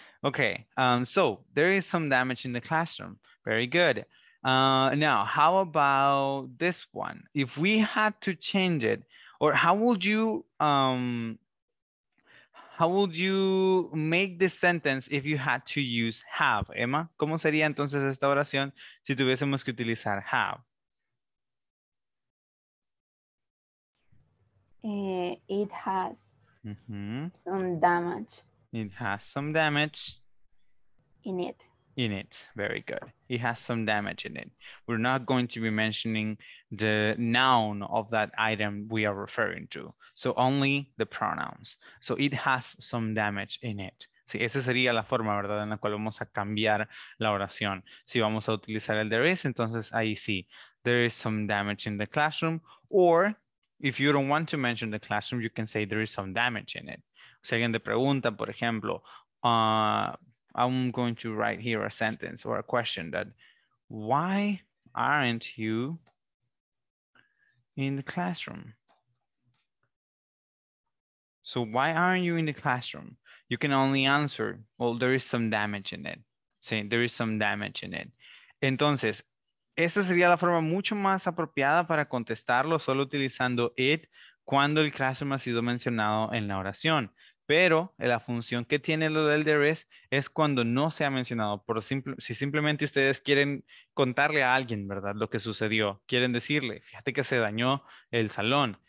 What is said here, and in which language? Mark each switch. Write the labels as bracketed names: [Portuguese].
[English] Okay, so there is some damage in the classroom. Very good. Now, how about this one? If we had to change it, or how would you make this sentence if you had to use have, Emma? [Spanish] ¿Cómo sería entonces esta oración si tuviésemos que utilizar have? [English] It has some damage. It has some damage. In it. In it. Very good. It has some damage in it. We're not going to be mentioning the noun of that item we are referring to. So only the pronouns. So it has some damage in it. [Spanish] Sí, esa sería la forma, ¿verdad?, en la cual vamos a cambiar la oración. Si vamos a utilizar el there is, entonces ahí sí. [English] There is some damage in the classroom. Or if you don't want to mention the classroom, you can say there is some damage in it. [Spanish] Si alguien te pregunta, por ejemplo, [English] I'm going to write here a sentence or a question that, why aren't you in the classroom? So why aren't you in the classroom? You can only answer, well, there is some damage in it. Saying there is some damage in it. [Spanish] Entonces, esta sería la forma mucho más apropiada para contestarlo solo utilizando it cuando el classroom ha sido mencionado en la oración. Pero la función que tiene lo del there es cuando no se ha mencionado. Si simplemente ustedes quieren contarle a alguien, ¿verdad?, lo que sucedió, quieren decirle, fíjate que se dañó el salón.